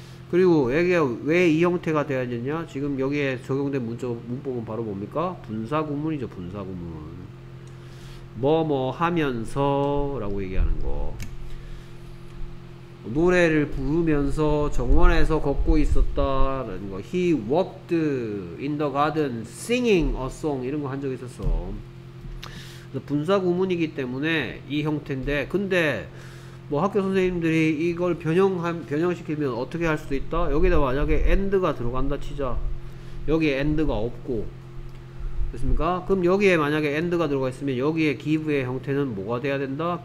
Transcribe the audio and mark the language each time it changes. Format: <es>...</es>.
<ko>그리고 여기가 왜 이 형태가 돼야 되냐? 지금 여기에 적용된 문법은 바로 뭡니까? 분사구문이죠. 분사구문. 뭐뭐 하면서 라고 얘기하는 거. 노래를 부르면서 정원에서 걷고 있었다라는 거.</ko> <en>He walked in the garden singing a song.</en> <ko>이런 거 한 적 있었어. 그래서 분사구문이기 때문에 이 형태인데 근데 뭐 학교 선생님들이 이걸 변형시키면 어떻게 할 수도 있다? 여기다 만약에 and가 들어간다 치자. 여기에 and가 없고 됐습니까? 그럼 여기에 만약에 and가 들어가 있으면 여기에 give의 형태는 뭐가 돼야 된다?</ko>